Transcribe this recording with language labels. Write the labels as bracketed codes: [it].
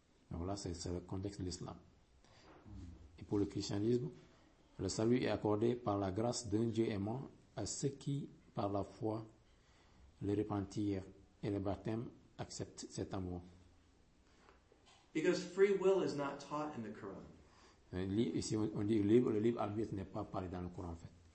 [fr] Donc là, c'est le contexte de l'islam. Et pour le christianisme, le salut est accordé par la grâce d'un Dieu aimant à ceux qui, par la foi, le repentir et le baptême, acceptent cet amour. [en] Because free will is not taught in the Quran. [fr] Ici, on dit libre, le libre arbitre n'est pas parlé dans le Coran, en fait.